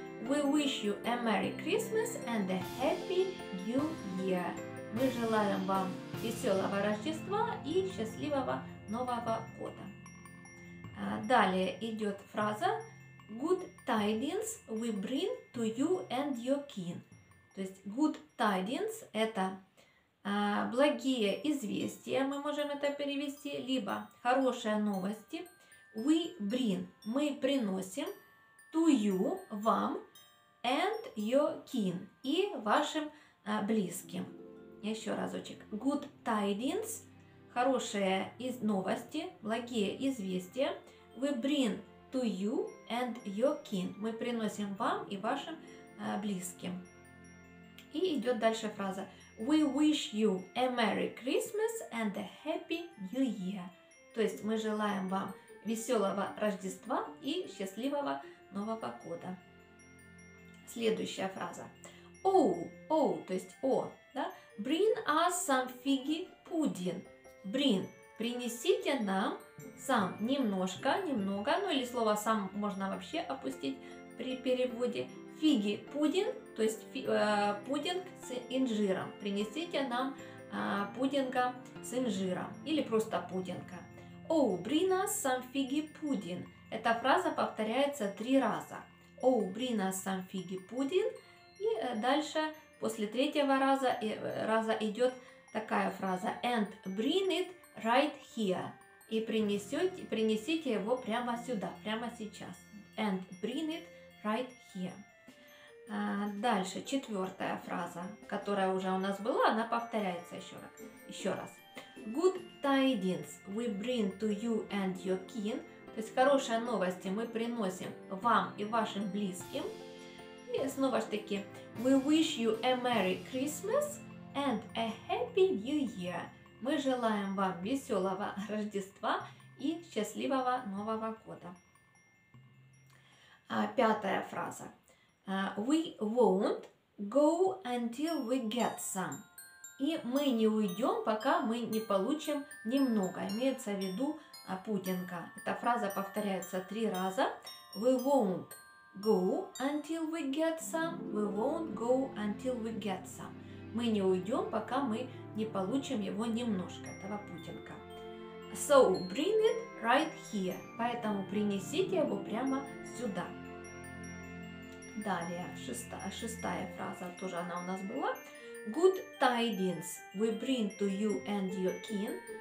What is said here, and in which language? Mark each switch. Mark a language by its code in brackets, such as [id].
[en] We wish you a Merry Christmas and a Happy New Year. [ru] Мы желаем вам веселого Рождества и счастливого Нового года. Далее идет фраза. [en] Good tidings we bring to you and your kin. [ru] То есть [en] good tidings [ru] – это благие известия, мы можем это перевести, либо хорошие новости. [en] We bring – [ru] мы приносим [en] to you – [ru] вам [en] and your kin – [ru] и вашим близким. Еще разочек. [en] Good tidings [ru] – хорошие новости, благие известия. [en] We bring to you and your kin – [ru] мы приносим вам и вашим близким. И идет дальше фраза. [en] We wish you a Merry Christmas and a Happy New Year. [ru] То есть мы желаем вам веселого Рождества и счастливого Нового года. Следующая фраза. Oh, то есть да? [en] Bring us some figgy pudding. Bring. [ru] Принесите нам some. Немного. Ну или слово some можно вообще опустить при переводе. [en] Figgy pudding. [ru] То есть пудинг с инжиром. Принесите нам пудинга с инжиром. Или просто пудинга. [en] Oh, bring us some figgy pudding. [ru] Эта фраза повторяется 3 раза. [en] Oh, bring us some figgy pudding. [ru] И дальше, после 3-го раза идет такая фраза. [en] And bring it right here. [ru] И принесите его прямо сюда, прямо сейчас. [en] And bring it right here. [ru] Дальше, 4-я фраза, которая уже у нас была, она повторяется еще раз. [en] Good tidings we bring to you and your kin. [ru] То есть хорошие новости мы приносим вам и вашим близким. И снова же таки, [en] we wish you a Merry Christmas and a Happy New Year. [ru] Мы желаем вам веселого Рождества и счастливого Нового года. 5-я фраза. [en] We won't go until we get some. [ru] И мы не уйдем, пока мы не получим немного. Имеется в виду пудинга. Эта фраза повторяется 3 раза. [en] We won't go until we get some. We won't go until we get some. [ru] Мы не уйдем, пока мы не получим его немножко, этого пудинга. [en] So bring it right here. [ru] Поэтому принесите его прямо сюда. Далее, 6-я фраза, тоже она у нас была. [en] Good tidings we bring to you and your kin.